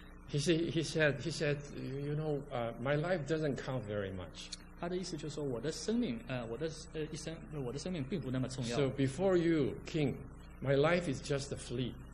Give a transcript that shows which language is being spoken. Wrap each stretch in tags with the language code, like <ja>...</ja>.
<en>He said, you know, my life doesn't count very much.</en> <zh>他的意思就是说我的生命，我的生命并不那么重要。</zh> <en>So before you, king, my life is just a flea.</en>